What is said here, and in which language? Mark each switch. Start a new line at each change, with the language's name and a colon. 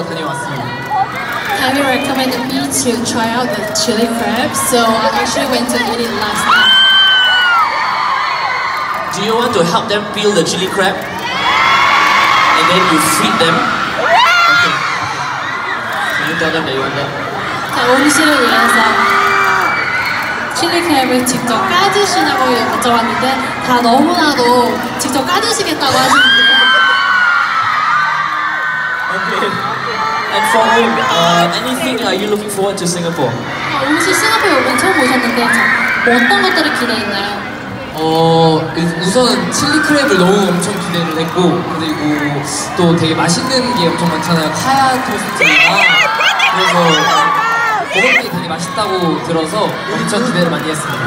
English: Have you recommended me to try out the chili crab? So I actually went to eat it last night. Do you want to help them peel the chili crab? Yeah. And then you feed them? Yeah. Okay. Can you tell them that you want that?
Korean: 자, 음식을 위해서 chili crab을 직접 까주시냐고 여쭤봤는데 다 너무나도 직접 까주시겠다고 하시는데
English: And for him, anything are you looking forward to Singapore?
Korean: 음식 싱가포르 여러분 처음 오셨는데 어떤 것들을 기대했나요? 우선 칠리 크랩을 너무 엄청 기대를 했고 그리고 또 되게 맛있는 게 엄청 많잖아요. 카야 토스트가 그래서 먹는 게 되게 맛있다고 들어서 엄청 기대를 많이 했습니다.